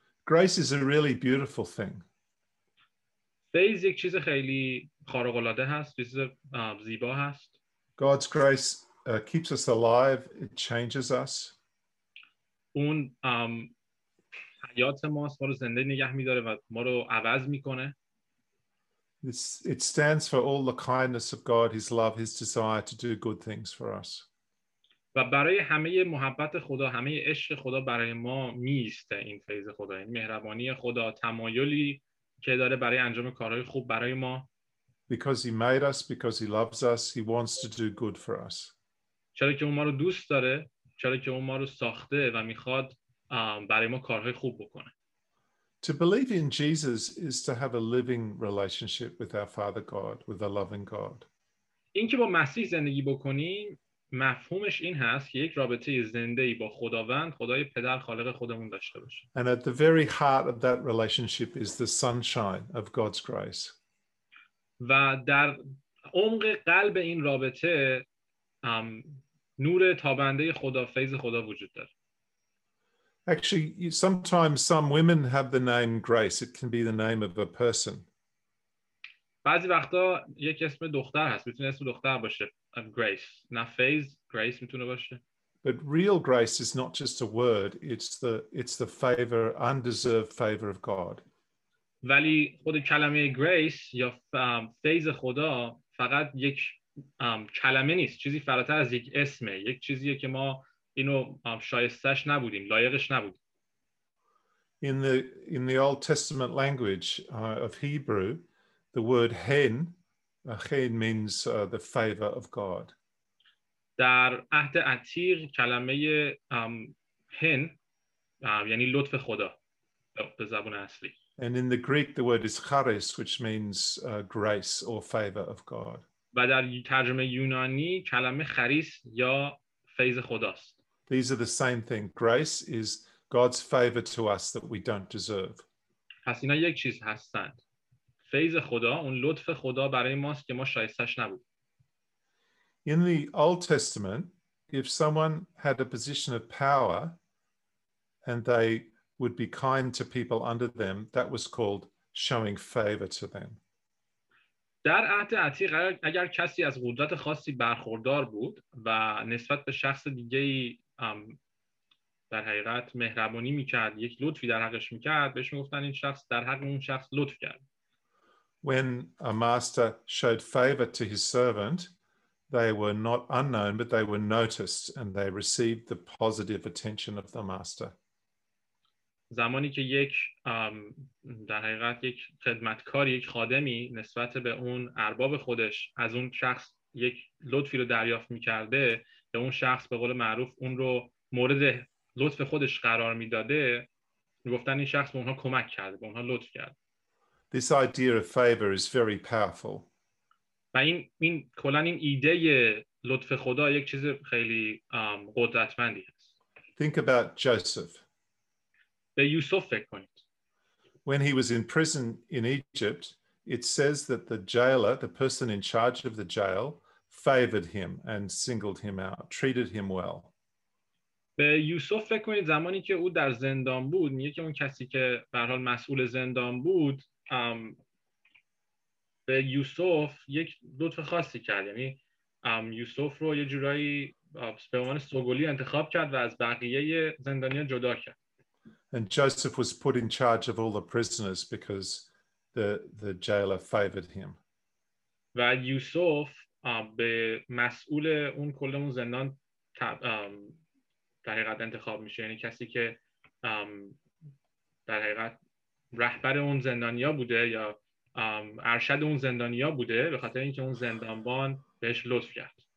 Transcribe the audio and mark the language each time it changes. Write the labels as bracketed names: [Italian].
[English] Grace is a really beautiful thing. [Persian] فیض یک چیز خیلی خارق‌العاده هست، چیز زیبا هست. [English] God's grace keeps us alive, it changes us. [Persian] اون حیات ما رو زنده نگه می‌داره و ما رو عوض می‌کنه. [English] It stands for all the kindness of God, his love, his desire to do good things for us. [Persian] و برای همه محبت خدا، همه عشق خدا برای ما میسته این فیض خدا، این مهربانی خدا، تمایلی که داره برای انجام کارهای خوب برای ما. [English] Because he made us, because he loves us, he wants to do good for us. [Persian] چرا که او ما رو دوست داره، چرا که او ما رو ساخته و میخواد برای ما کارهای خوب بکنه. [English] To believe in Jesus is to have a living relationship with our Father God, with a loving God. [Persian] این که با مسیح زندگی بکنیم مفهومش این هست که یک رابطه زنده‌ای با خداوند، خدای پدر خالق خودمون داشته باشیم. [English] And at the very heart of that relationship is the sunshine of God's grace. [Persian] و در عمق قلب این رابطه نور تابنده خدا، فیض خدا وجود داره. [English] Actually, sometimes some women have the name Grace. It can be the name of a person. [Persian] بعضی وقتا یک اسم دختر هست. میتونه اسم دختر باشه. Grace. نه فیض. Grace میتونه باشه. [English] But real grace is not just a word, it's the favor, undeserved favor of God. [Persian] ولی خود کلمه grace یا فیض خدا فقط یک کلمه نیست، چیزی فراتر از یک اسمه، یک چیزیه که ما اینو شایستش نبودیم، لایقش نبودیم. [English] In the Old Testament language of Hebrew, the word hen means the favor of God. [Persian] در عهد عتیق کلمه hen یعنی لطف خدا به زبان اصلی. [English] And in the Greek, the word is charis, which means grace or favor of God. [Persian] و در ترجمه یونانی کلمه charis یا فیض خداست. [English] These are the same thing. Grace is God's favor to us that we don't deserve. [Persian] پس اینا یک چیز هستند. فیض خدا، اون لطف خدا برای ماست که ما شایستش نبود. [English] In the Old Testament, if someone had a position of power and they would be kind to people under them, that was called showing favor to them. [Persian] در عهد عتیق اگر کسی از قدرت خاصی برخوردار بود و نسبت به شخص دیگه‌ای در حقیقت مهربانی میکرد، یک لطفی در حقش میکرد، بهش میگفتن این شخص در حق اون شخص لطف کرد. [English] When a master showed favor to his servant, they were not unknown, but they were noticed and they received the positive attention of the master. [Persian] زمانی که یک در حقیقت یک خدمتکار، یک خادمی نسبت به اون ارباب خودش از اون شخص یک لطفی رو دریافت میکرده، به اون شخص به قول معروف اون رو مورد لطف خودش قرار میداده، میگفتن این شخص به اونها کمک کرده، به اونها لطف کرده. [English] This idea of favor is very powerful. [Persian] و این کلن این ایده لطف خدا یک چیز خیلی قدرتمندی هست. [English] Think about Joseph. [Persian] به یوسف فکر کنید. [English] When he was in prison in Egypt, it says that the jailer, the person in charge of the jail, favored him and singled him out, treated him well. [Persian] به یوسف فکر کنید، زمانی که او در زندان بود، میگه که اون کسی که به هر حال مسئول زندان بود، به یوسف یک لطف خاصی کرد. یعنی یوسف رو یه جورایی به عنوان سوگلی انتخاب کرد و از بقیه زندانیا جدا کرد. [English] And Joseph was put in charge of all the prisoners because the jailer favored him. [Persian] و یوسف به مسئول اون کل اون زندان در حقیقت انتخاب میشه، یعنی کسی که در حقیقت رهبر اون زندانیا بوده یا ارشد اون زندانیا بوده، به خاطر اینکه اون زندانبان بهش لطف کرد.